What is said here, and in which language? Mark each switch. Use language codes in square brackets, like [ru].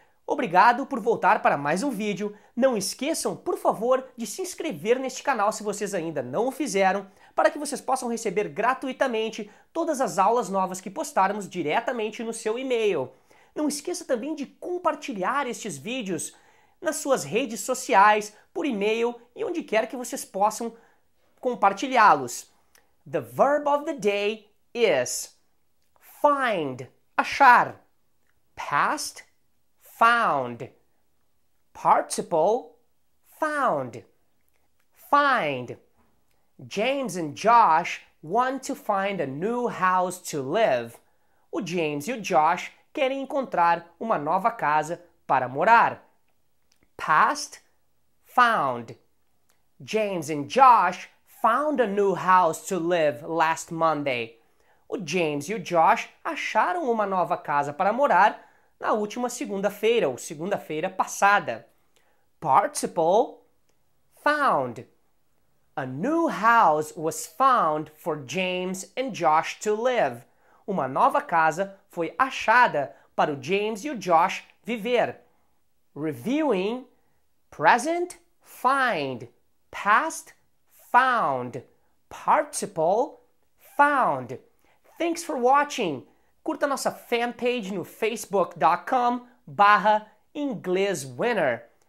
[pt] Obrigado por voltar para mais um vídeo. Não esqueçam, por favor, de se inscrever neste canal se vocês ainda não o fizeram, para que vocês possam receber gratuitamente todas as aulas novas que postarmos diretamente no seu e-mail. Não esqueça também de compartilhar estes vídeos nas suas redes sociais, por e-mail e onde quer que vocês possam compartilhá-los. [en] The verb of the day is find, achar, past, found, participle, found, find. James and Josh want to find a new house to live. [pt] O James e o Josh querem encontrar uma nova casa para morar. [en] Past, found. James and Josh found a new house to live last Monday. [pt] O James e o Josh acharam uma nova casa para morar na última segunda-feira, ou segunda-feira passada. [en] Participle, found. A new house was found for James and Josh to live. [pt] Uma nova casa foi achada para o James e o Josh viver. [en] Reviewing, present, find. Past, found. Participle, found. Thanks for watching. [pt] Curta nossa fanpage no facebook.com/englishwinner.